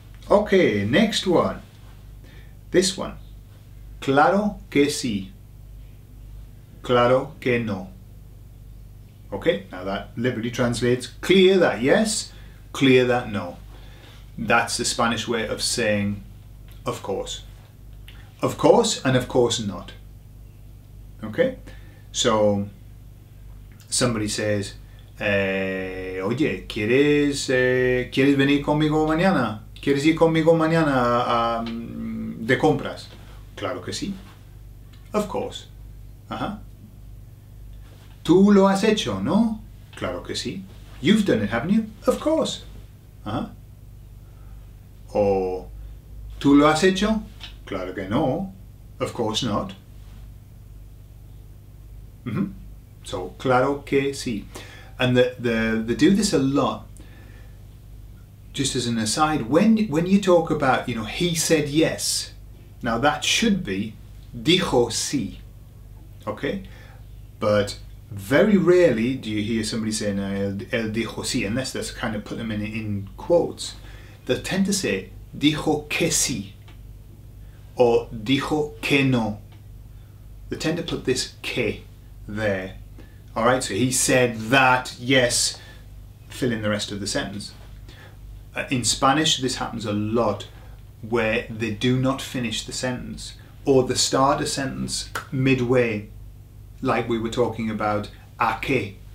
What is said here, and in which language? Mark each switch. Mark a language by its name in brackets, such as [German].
[English] Okay, next one. This one, [Spanish] claro que sí, claro que no. [English] Okay, now that literally translates, clear that yes, clear that no. That's the Spanish way of saying, of course. Of course, and of course not. Okay, so somebody says, [Spanish] oye, ¿quieres venir conmigo mañana? ¿Quieres ir conmigo mañana? De compras. Claro que sí. [English] Of course. [Spanish] Ajá. Tú lo has hecho, ¿no? Claro que sí. [English] You've done it, haven't you? Of course. [Spanish] Ajá. O tú lo has hecho? Claro que no. [English] Of course not. Mm-hmm. So, [Spanish] claro que sí. [English] And the do this a lot. Just as an aside, when you talk about, you know, he said yes. Now that should be [Spanish] dijo sí, [English] okay? But very rarely do you hear somebody saying [Spanish] él dijo sí, [English] unless they're kind of putting them in quotes. They'll tend to say [Spanish] dijo que sí [English] or [Spanish] dijo que no. [English] They tend to put this que there. All right, so he said that, yes, fill in the rest of the sentence. In Spanish, this happens a lot, where they do not finish the sentence, or they start a sentence midway, like we were talking about, a qué.